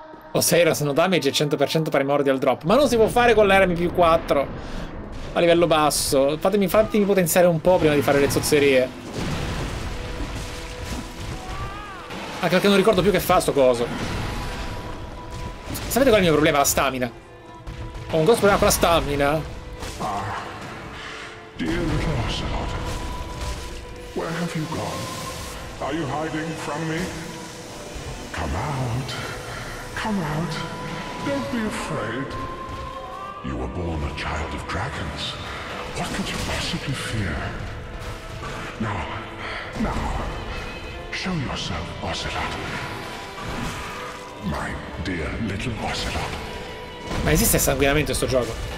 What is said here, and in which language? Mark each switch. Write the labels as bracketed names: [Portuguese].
[Italian] Oseiras no damage e 100% primordial drop. Ma non si può fare con l'RM più 4 a livello basso. Fatemi potenziare un po' prima di fare le zozzerie. Anche perché non ricordo più che fa sto coso. Sapete qual è il mio problema? La stamina. Ho un grosso problema con la stamina. [English] Dear little Ocelot, where have you gone? Are you hiding from me? Come out. Come out. Don't be afraid. You were born a child of dragons. What could you possibly fear? Now, now, show yourself, Ocelot. My dear little Ocelot. [Italian] Ma esiste sanguinamento in sto gioco?